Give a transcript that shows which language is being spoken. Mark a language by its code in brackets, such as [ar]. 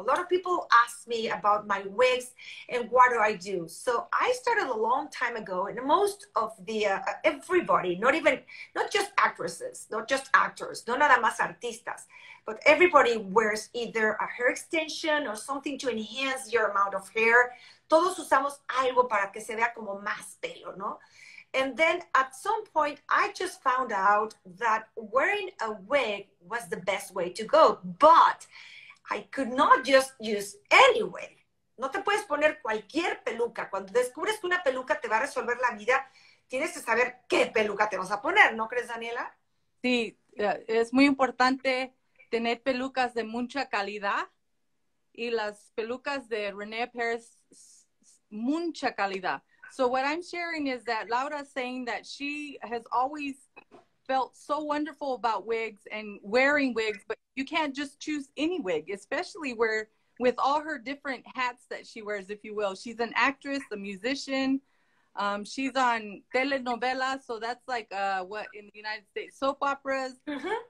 [en] A lot of people ask me about my wigs and what do I do. So I started a long time ago, and most of the, everybody, not just actors, [es] no nada más artistas, [en] but everybody wears either a hair extension or something to enhance your amount of hair. [es] Todos usamos algo para que se vea como más pelo, ¿no? [en] And then at some point, I just found out that wearing a wig was the best way to go. But I could not just use any wig. [es] No te puedes poner cualquier peluca. Cuando descubres que una peluca te va a resolver la vida, tienes que saber qué peluca te vas a poner. ¿No crees, Daniela? Sí, es muy importante tener pelucas de mucha calidad. Y las pelucas de René Paris, mucha calidad. [en] So what I'm sharing is that Laura's saying that she has always felt so wonderful about wigs and wearing wigs, but you can't just choose any wig, especially where with all her different hats that she wears, if you will. She's an actress, a musician. She's on telenovela. So that's like what in the United States, soap operas. Mm-hmm.